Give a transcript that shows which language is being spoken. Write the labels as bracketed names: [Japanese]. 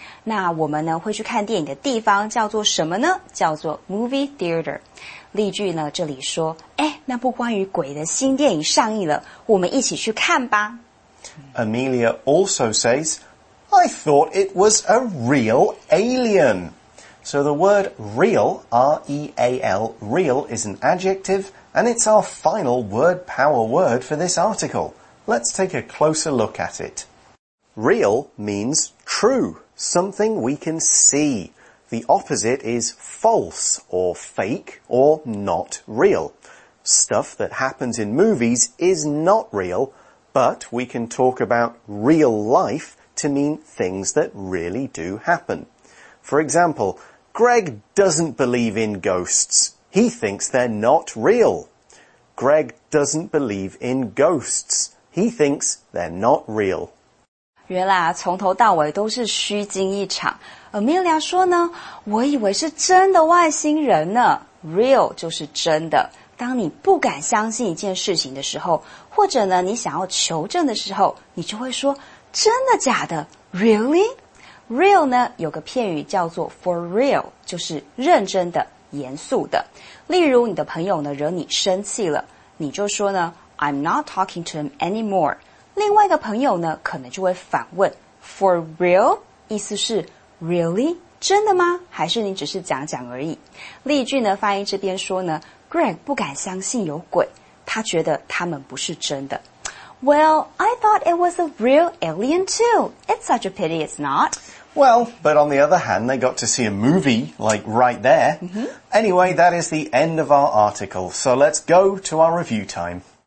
[Chinese] 那我们呢会去看电影的地方叫做什么呢叫做 movie theater。例句呢这里说诶那部关于鬼的新电影上映了我们一起去看吧。 [English] Amelia also says, I thought it was a real alien. So the word real, R-E-A-L, real is an adjective, and it's our final word power word for this article. Let's take a closer look at it. Real means true, something we can see. The opposite is false, or fake, or not real. Stuff that happens in movies is not real,But we can talk about real life to mean things that really do happen. For example, Greg doesn't believe in ghosts. He thinks they're not real. Greg doesn't believe in ghosts. He thinks they're not real. [Chinese] 原来啊，从头到尾都是虚惊一场。Amelia 说呢，我以为是真的外星人呢。 Real 就是真的。当你不敢相信一件事情的时候或者呢你想要求证的时候你就会说真的假的 Really? Real 呢有个片语叫做 for real 就是认真的严肃的例如你的朋友呢惹你生气了你就说呢 [English] I'm not talking to him anymore [Chinese] 另外一个朋友呢可能就会反问 for real 意思是 really 真的吗还是你只是讲讲而已例句呢翻译这边说呢Greg 不敢相信有鬼，他觉得他们不是真的。 [English] Well, I thought it was a real alien too. It's such a pity it's not. Well, but on the other hand, they got to see a movie, like right there. Mm-hmm. Anyway, that is the end of our article. So let's go to our review time.